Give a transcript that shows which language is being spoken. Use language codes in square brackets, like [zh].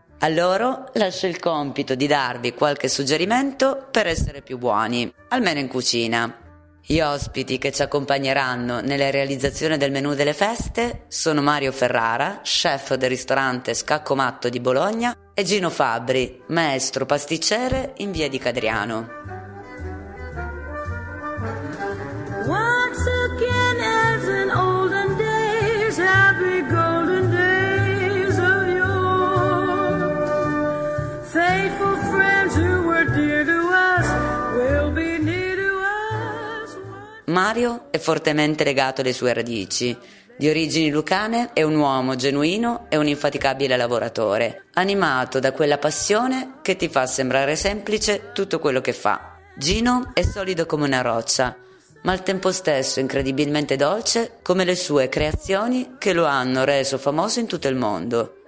[it] A loro lascio il compito di darvi qualche suggerimento per essere più buoni, almeno in cucina. Gli ospiti che ci accompagneranno nella realizzazione del menù delle feste sono Mario Ferrara, chef del ristorante Scacco Matto di Bologna, e Gino Fabbri, maestro pasticcere in via di Cadriano. [en] Once again as in olden days, happy golden days of yore. Faithful friends who were dear to us will be near to us. [it] Mario è fortemente legato alle sue radici. Di origini lucane, è un uomo genuino e un infaticabile lavoratore, animato da quella passione che ti fa sembrare semplice tutto quello che fa. Gino è solido come una roccia, ma al tempo stesso incredibilmente dolce come le sue creazioni che lo hanno reso famoso in tutto il mondo.